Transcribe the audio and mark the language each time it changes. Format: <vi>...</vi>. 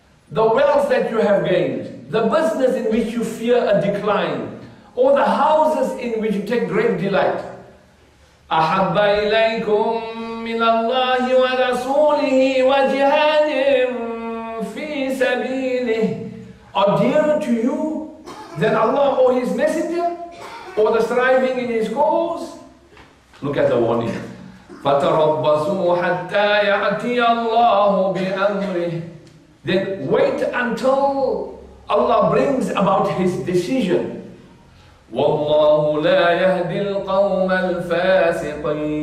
<en>The wealth that you have gained, the business in which you fear a decline, or the houses in which you take great delight,</en> <ar>أحب إليكم من الله ورسوله وجهاد في سبيله.</ar> <en>Are dearer to you than Allah or His Messenger or the striving in His cause? Look at the warning.</en> <ar>فتربصوا حتى يأتي الله بأمره.</ar> <en>Then wait until Allah brings about His decision.</en> <ar>والله لا يهدي القوم الفاسقين.</ar>